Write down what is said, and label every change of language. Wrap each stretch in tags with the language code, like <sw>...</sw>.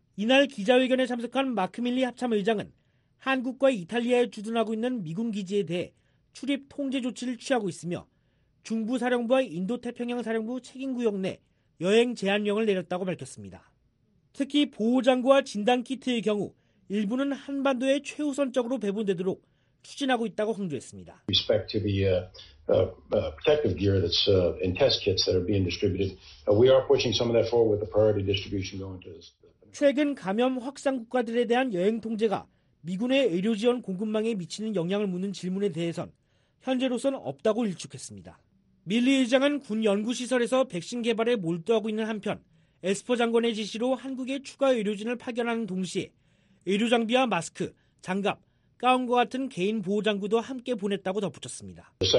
<ko>이날 기자회견에 참석한 마크 밀리 합참의장은 한국과 이탈리아에 주둔하고 있는 미군기지에 대해 출입 통제 조치를 취하고 있으며 중부사령부와 인도태평양사령부 책임구역 내 여행 제한령을 내렸다고 밝혔습니다. 특히 보호장구와 진단키트의 경우 일부는 한반도에 최우선적으로 배분되도록 추진하고 있다고 강조했습니다.</ko> <en>Respect to the protective gear that's in test kits that are being distributed. We are pushing some of that forward with the priority distribution going to this.</en> <ko>최근 감염 확산 국가들에 대한 여행 통제가 미군의 의료 지원 공급망에 미치는 영향을 묻는 질문에 대해선 현재로선 없다고 일축했습니다. 밀리 의장은 군 연구시설에서 백신 개발에 몰두하고 있는 한편 에스퍼 장관의 지시로 한국에 추가 의료진을 파견하는 동시에 의료 장비와 마스크, 장갑, 가운과 같은 개인 보호 장구도 함께 보냈다고 덧붙였습니다.</ko>